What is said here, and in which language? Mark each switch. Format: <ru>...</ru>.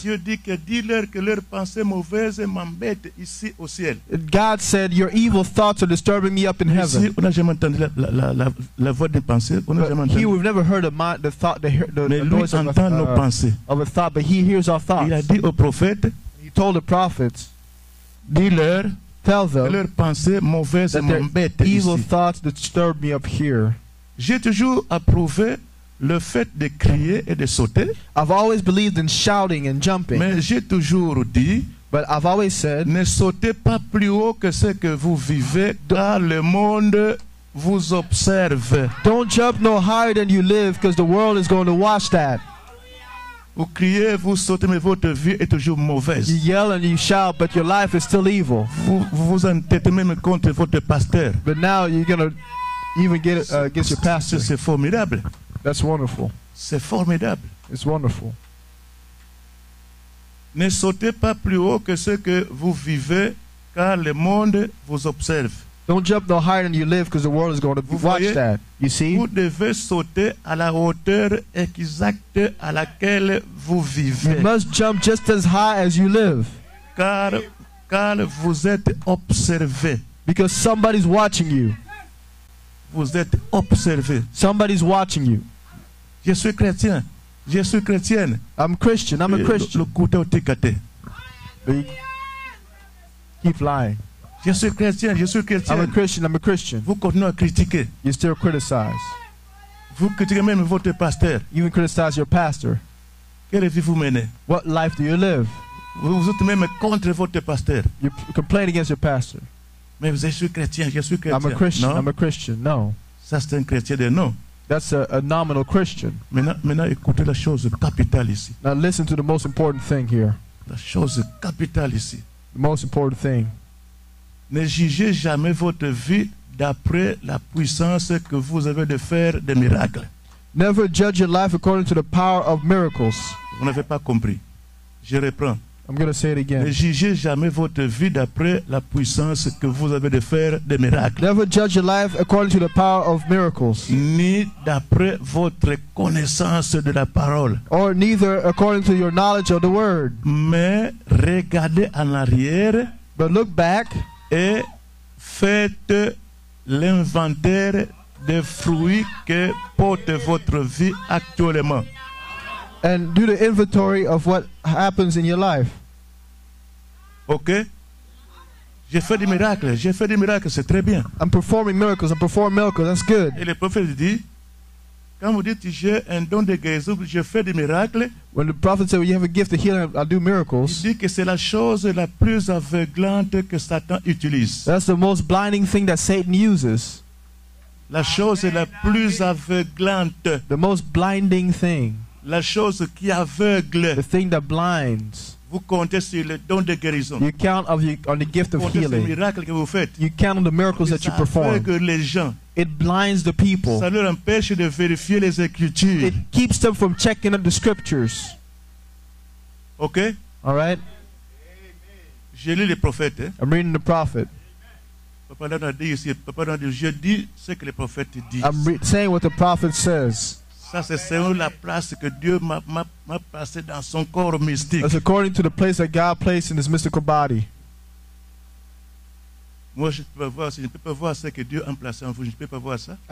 <fr>Dieu dit que dis-leur que leurs pensées mauvaises m'embêtent ici au ciel.</fr> <en>God said your evil thoughts are disturbing me up in heaven.</en> <fr>Ici, on n'a jamais entendu la voix des pensées. On n'a jamais entendu.</fr> <en>Here we've never heard the thought, but he hears our thoughts.</en> <fr>Il a dit aux prophètes.</fr> <en>He told the prophets.</en> <fr>Dis-leur.</fr> <en>Tell them.</en> <fr>Que leurs pensées mauvaises m'embêtent ici.</fr> <en>Evil thoughts disturb me up here.</en> <fr>J'ai toujours approuvé le fait de crier et de sauter.</fr> <en>I've always believed in shouting and jumping.</en> <fr>Mais j'ai toujours dit,</fr> <en>but I've always said,</en> <fr>ne sautez pas plus haut que ce que vous vivez, car le monde vous observe.</fr> <en>Don't jump no higher than you live, because the world is going to watch that.</en> <fr>Vous criez, vous sautez, mais votre vie est toujours mauvaise.</fr> <en>You yell and you shout, but your life is still evil.</en> <fr>Vous entêtez même contre votre pasteur.</fr> <en>But now you're going to even get against your pastor.</en> <fr>C'est formidable.</fr> <en>That's wonderful.</en> <fr>C'est formidable.</fr> <en>It's wonderful.</en> <fr>Ne sautez pas plus haut que ce que vous vivez, car le monde vous observe.</fr> <en>Don't jump no higher than you live, because the world is going to watch that. You see?</en> <fr>Vous devez sauter à la hauteur exacte à laquelle vous vivez.</fr> <en>You must jump just as high as you live.</en> <fr>Car vous êtes observé.</fr> <en>Because somebody's watching you.</en> <fr>Vous êtes observé.</fr> <en>Somebody's watching you.</en> <fr>Je suis chrétien. Je suis chrétienne.</fr> <en>I'm Christian. I'm a Christian. Le couteau ticaté. Keep lying.</en> <fr>Je suis chrétien. Je suis chrétien.</fr> <en>I'm a Christian.</en> <fr>Vous continuez à critiquer.</fr> <en>You still criticize.</en> <fr>Vous critiquez même votre pasteur.</fr> <en>You even criticize your pastor.</en> <fr>Quelle vie vous menez?</fr> <en>What life do you live?</en> <fr>Vous êtes même contre votre pasteur.</fr> <en>You complain against your pastor.</en> <fr>Mais je suis chrétien, je suis chrétien.</fr> <en>I'm a Christian. Non? I'm a Christian. No.</en> <fr>Ça c'est un chrétien de nom.</fr> <en>That's a nominal Christian.</en> <fr>Maintenant, écoutez la chose capitale ici.</fr> <en>Now listen to the most important thing here.</en> <fr>La chose capitale ici.</fr> <en>The most important thing.</en> <fr>Ne jugez jamais votre vie d'après la puissance que vous avez de faire des miracles.</fr> <en>Never judge your life according to the power of miracles.</en> <fr>Vous n'avez pas compris. Je reprends.</fr> <en>I'm going to say it again.</en> <fr>Ne jugez jamais votre vie d'après la puissance que vous avez de faire des miracles.</fr> <en>Never judge your life according to the power of miracles.</en> <fr>Ni d'après votre connaissance de la parole.</fr> <en>Or neither according to your knowledge of the word.</en> <fr>Mais regardez en arrière.</fr> <en>But look back.</en> <fr>Et faites l'inventaire des fruits que porte votre vie actuellement.</fr> <en>and do the inventory of what happens in your life.</en> <fr>Okay. J'ai fait des miracles. J'ai fait des miracles. C'est très bien.</fr> <en>I'm performing miracles. I'm performing miracles. That's good.</en> <fr>Et le prophète dit, quand vous dites j'ai un don de guérison, je fais des miracles.</fr> <en>When the prophet said, well, you have a gift of healing, I do miracles.</en> <fr>Il dit que c'est la chose la plus aveuglante que Satan utilise.</fr> <en>That's the most blinding thing that Satan uses.</en> <fr>La chose Amen. La plus aveuglante.</fr> <en>The most blinding thing.</en> <fr>La chose qui aveugle.</fr> <en>The thing that blinds.</en> <fr>Vous comptez sur le don de guérison.</fr> <en>You count of your, on the gift</en> <fr>vous</fr> <en>of healing.</en> <fr>Comptez sur les miracles que vous faites.</fr> <en>You count on the miracles</en> <fr>ça</fr> <en>that you perform.</en> <fr>Aveugle les gens.</fr> <en>It blinds the people.</en> <fr>Ça leur empêche de vérifier les écritures.</fr> <en>It keeps them from checking up the scriptures. Okay. All right.</en> <fr>Amen. Je lis les prophètes.</fr> <en>I'm reading the prophet.</en> <fr>Papa a dit ici. Papa a dit, je dis ce que les prophètes disent.</fr> <en>I'm saying what the prophet says.</en> <fr>Ça c'est selon la place que Dieu m'a placé dans son corps mystique.</fr> <en>That's according to the place that God placed in His mystical body.</en> <fr>Moi je peux voir, je peux pas voir ce que Dieu a placé en vous. Je peux pas voir ça.</fr>